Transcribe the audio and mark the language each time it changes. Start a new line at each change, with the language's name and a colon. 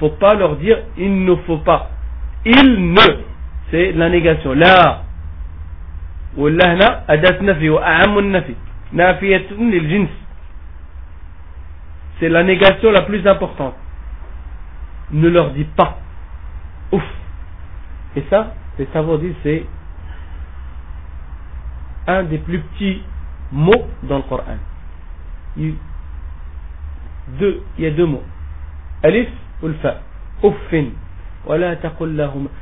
French: Il ne faut pas leur dire, c'est la négation, là.
Arabic: واللهنا أداة نفي وأعم النفي نافية للجنس.
French: C'est la négation la plus importante. Ne leur dis pas ouf. Et ça, les savants disent, c'est un des plus petits mots dans le Coran. Il y a deux mots, alif ou le fa,
Arabic: ouffin wa la taqul lahum.